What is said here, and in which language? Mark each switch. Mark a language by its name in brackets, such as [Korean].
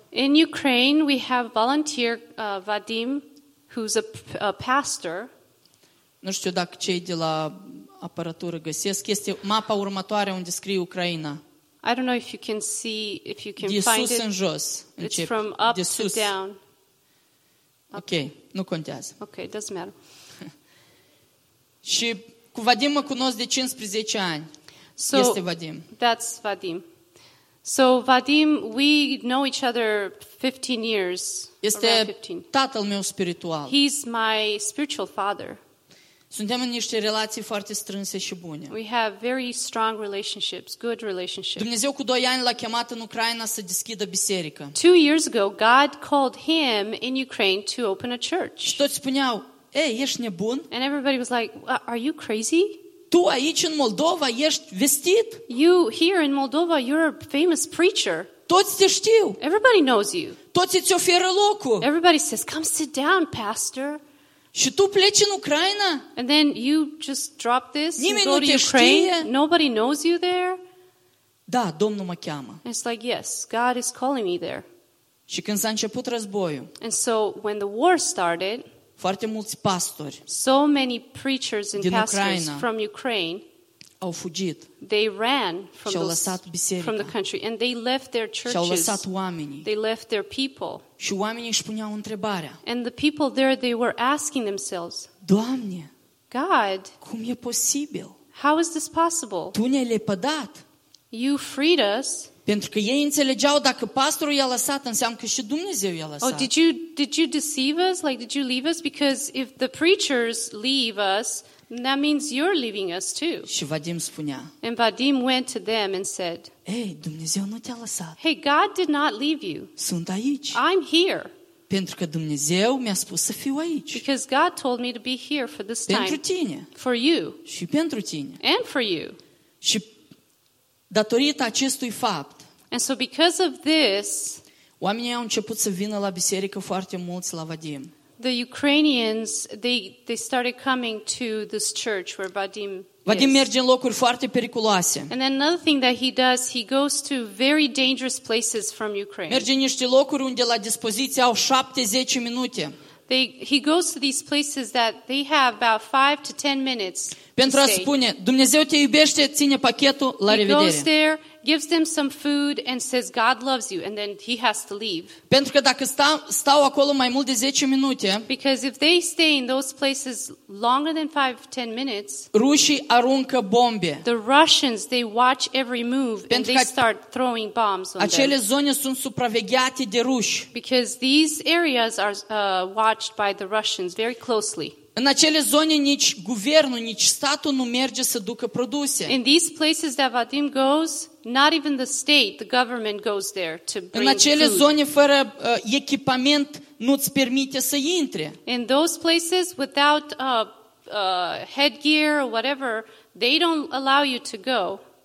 [English] In Ukraine we have volunteer Vadim who's a pastor. [Romanian] Nu știu dacă cei de la aparatură găsesc, este mapa următoare unde scrie Ucraina. [English] I don't know if you can see if you can [Romanian] de [English] find [Romanian] sus [English] it. [Romanian] În jos, [English] it's from up [Romanian] de sus. [English] To down. [Romanian] Ok, nu contează. [English] Ok, it doesn't matter. [Romanian] Și cu Vadim mă cunosc de 15 ani. [English] So Vadim. That's Vadim. So Vadim, we know each other 15 years. [Romanian] Este tatăl meu spiritual. [English] He's my spiritual father. [Romanian] Suntem în niște relații foarte strânse și bune. [English] We have very strong relationships, good relationships. [Romanian] Dumnezeu cu 2 ani l-a chemat în Ucraina să deschidă biserică. [English] 2 years ago, God called him in Ukraine to open a church. [Romanian] Și toți spuneau: "Ei, ești nebun?" [English] And everybody was like, "Are you crazy?" [Romanian] Tu aici în Moldova ești vestit? [English] You here in Moldova, you're a famous preacher. [Romanian] Toți te știu. [English] Everybody knows you. [Romanian] Toți îți oferă locul. [English] Everybody says, come sit down, pastor. [Romanian] Și tu pleci în Ucraina? [English] And then you just drop this. [Romanian] Nimeni [English] you go [Romanian] nu te [English] to Ukraine. [Romanian] Știe. [English] Nobody knows you there. [Romanian] Da, Domnul mă cheamă. [English] It's like, yes, God is calling me there. [Romanian] Și când s-a început războiul? [English] And so when the war started, [Romanian] foarte mulți pastori. [English] So many preachers and [Romanian] din [English] pastors [Romanian] Ucraina [English] from Ukraine. [Romanian] Au fugit. [English] They ran from, [Romanian] și-au lăsat biserica, [English] from the country and they left their churches. [Romanian] Și-au lăsat oamenii. [English] They left their people. [Romanian] Și oamenii își puneau întrebarea. [English] And the people there they were asking themselves. [Romanian] Doamne, [English] God, [Romanian] cum e posibil? [English] How is this possible? [Romanian] Tu ne-ai lepădat. [English] You freed us. [Romanian] Pentru că ei înțelegeau dacă pastorul i-a lăsat, înseamnă că și Dumnezeu i-a lăsat. [English] Oh, did you deceive us? Like, did you leave us? Because if the preachers leave us, that means you're leaving us too. [Romanian] Și Vadim spunea. [English] And Vadim went to them and said, [Romanian] hey, Dumnezeu nu te-a lăsat. [English] Hey, God did not leave you. [Romanian] Sunt aici. [English] I'm here. [Romanian] Pentru că Dumnezeu mi-a spus să fiu aici. [English] Because God told me to be here for this [Romanian] pentru [English] time. [Romanian] Pentru tine. [English] For you. [Romanian] Și pentru tine. [English] And for you. [Romanian] Și datorită acestui fapt. [English] And so because of this, [Romanian] oamenii au început să vină la biserică foarte mulți la Vadim. [English] The Ukrainians they started coming to this church where Vadim is. [Romanian] Vadim merge în locuri foarte periculoase. [English] And then another thing that he does, he goes to very dangerous places from Ukraine. [Romanian] Merge în niște locuri unde la dispoziție au 7-10 minute. [English] He goes to these places that they have about 5 to 10 minutes. [Romanian] Pentru a spune, Dumnezeu te iubește, ține pachetul, la revedere. [English] He goes there, gives them some food and says God loves you and then he has to leave. [Romanian] Pentru că dacă stau acolo mai mult de 10 minute, [English] because if they stay in those places longer than 5-10 minutes, [Romanian] rușii aruncă bombe. [English] The Russians, they watch every move [Romanian] pentru [English] and they start throwing bombs on [Romanian] acele [English] them. [Romanian] Acele zone sunt supravegheate de ruși. [English] Because these areas are watched by the Russians very closely. [Romanian] În acele zone nici guvernul, nici statul nu merge să ducă produse. [English] In these places that Vadim goes, not even the state, the government goes there to bring food. [Romanian] În acele zone fără echipament nu ți permite să intre. [English] In those places without headgear or whatever, they don't allow you to go.